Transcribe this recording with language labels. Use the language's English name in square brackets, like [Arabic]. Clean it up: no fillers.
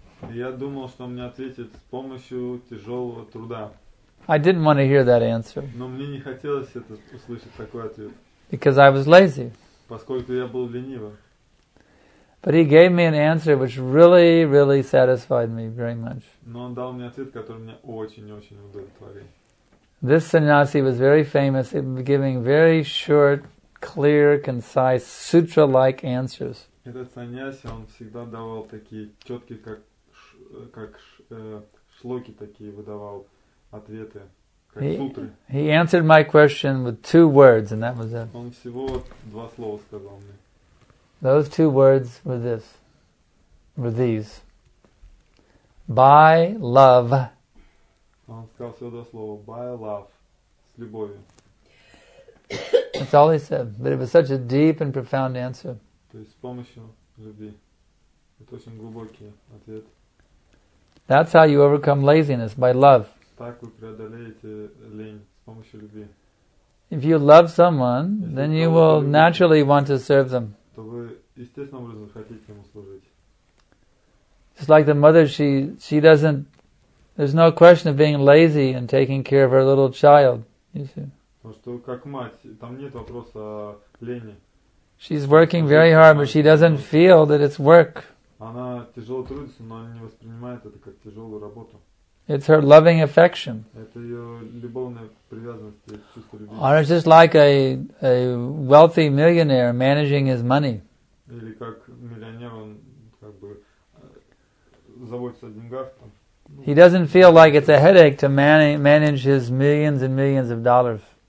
[Russian] Я думал, что он мне ответит с помощью тяжелого труда. [English] I didn't want to hear that answer. [Russian] Но мне не хотелось это услышать такой ответ. [English] Because I was lazy. [Russian] Поскольку я был ленивым. [English] But he gave me an answer which really, really satisfied me very much. [Russian] Но он дал мне ответ, который меня очень-очень удовлетворил. [English] This sannyasi was very famous in giving very short, clear, concise, sutra-like answers. [Russian] Этот саньяси, он всегда давал такие четкие, как шлоки такие выдавал ответы, как сутры. [English] He answered my question with two words, and that was it. [Russian] Он всего два слова сказал мне. [English] Those two words were these. By love. [Russian] Он сказал всего два слова. [English] By love. [Russian] С любовью. [English] That's all he said. But it was such a deep and profound answer. [Russian] То есть с помощью любви. Это очень глубокий ответ. [English] That's how you overcome laziness. By love. [Russian] Так вы преодолеете лень. С помощью любви. [English] If you love someone, then you will naturally want to serve them. [Russian] То вы естественным образом хотите ему служить. [English] Just like the mother, she doesn't. There's no question of being lazy and taking care of her little child, you see. [Russian] Потому что как мать, там нет вопроса о лени. [English] She's working very hard, but she doesn't feel that it's work. [Russian] Она тяжело трудится, но она не воспринимает это как тяжелую работу. [English] It's her loving affection. [Russian] Это ее любовная привязанность, чувство любви. [English] Or it's just like a wealthy millionaire managing his money. [Russian] Или как миллионер, он как бы заботится о деньгах там. [English] He doesn't feel like it's a headache to manage his millions and millions of dollars.